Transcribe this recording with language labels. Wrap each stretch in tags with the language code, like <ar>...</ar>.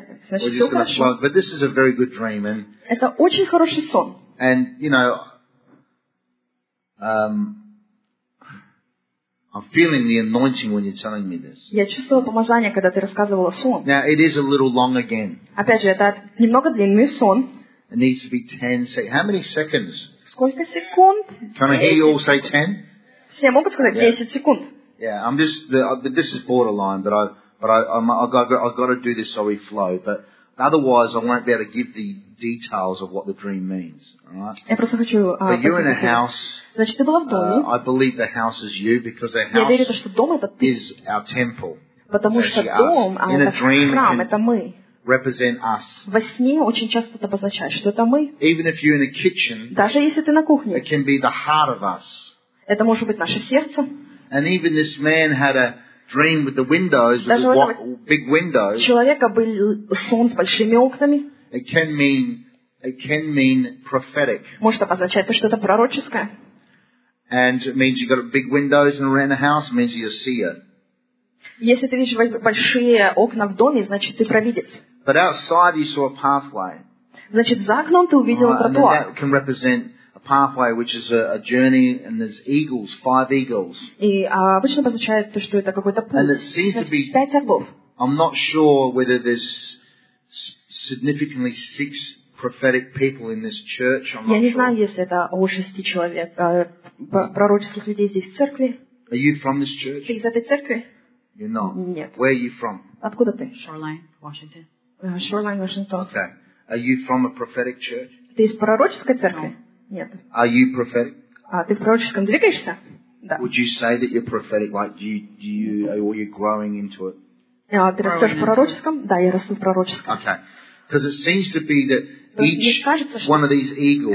<en>But this is a very good dream, and</en> <ru>это очень хороший сон.</ru> <en>And you know, I'm feeling the anointing when you're telling me this.</en> <ru>Я чувствовала помазание, когда ты рассказывала сон.</ru> <en>Now it is a little long again.</en> <ru>Опять же, это немного длинный сон.</ru> <en>It needs to be 10 seconds. How many seconds?</en> <ru>Сколько секунд?</ru> <en>Can I hear you all say 10?</en> <ru>Все могут сказать 10 секунд.</ru> <en>Yeah, I'm just this is borderline, but I've got to do this so we flow, but otherwise I won't be able to give the details of what the dream means.</en> <ru>Я просто хочу.</ru> <en>But you're in a house.</en> <ru>Значит, ты была в доме.</ru> <en>I believe the house is you because the house.</en> <ru>Я верю, что дом это ты.</ru> <en>Is our temple.</en> <ru>Потому что дом, а это храм, это мы.</ru> <en>Represent us.</en> <ru>Во сне очень часто это обозначает, что это мы.</ru> <en>Even if you're in a kitchen.</en> <ru>Даже если ты на кухне.</ru> <en>It can be the heart of us.</en> <ru>Это может быть наше сердце.</ru> <en>And even this man had a. dream with the windows, with the big windows.</en> <ru>У человека был сон с большими окнами.</ru> <en>It can mean prophetic.</en> <ru>Может означать то, что это пророческое.</ru> <en>And it means you've got big windows and around the house, means you see it.</en> <ru>Если ты видишь большие окна в доме, значит ты провидец.</ru> <en>But outside you saw a pathway.</en> <ru>Значит, за окном ты увидел тротуар.</ru> <en>And that can represent a pathway, which is a journey, and there's eagles, five eagles.</en> <ru>И обычно обозначает то, что это какой-то путь.</ru> <en>And it seems to be. I'm not sure whether there's significantly six prophetic people in this church.</en> <ru>Я не знаю, если это о шести человек пророческих людей здесь в церкви.</ru> <en>Are you from this church?</en> <ru>Ты из этой церкви?</ru> <en>You're not.</en> <ru>Нет.</ru> <en>Where are you from?</en> <ru>Откуда ты?</ru> <en>Shoreline, Washington. Shoreline, Washington. Okay. Are you from a prophetic church?</en> <ru>Ты из пророческой церкви? Нет.</ru> <en>Are you prophetic?</en> <ru>А ты в пророческом двигаешься? Да.</ru> <en>Would you say that you're prophetic? Like, do you, or you're growing into it?</en> <ru>А ты растешь в пророческом? Да, я расту в пророческом.</ru> <en>Okay. Because it seems to be that each one of these eagles,</en>